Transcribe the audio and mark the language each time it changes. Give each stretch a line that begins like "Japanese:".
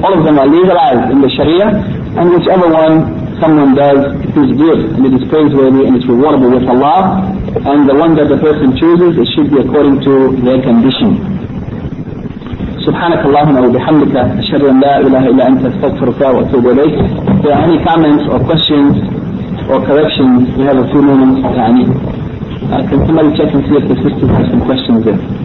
English: All of them are legalized in the Sharia, and whichever one someone does, it is good, and it is praiseworthy, and it's rewardable with Allah, and the one that the person chooses, it should be according to their condition.
Arabic: سبحانك اللهم وبحمدك أشهد أن لا إله إلا أنت أستغفرك وأتوب إليك.
English: If there are any comments or questions or corrections, we have a few moments. Can somebody check and see if the system has some questions there?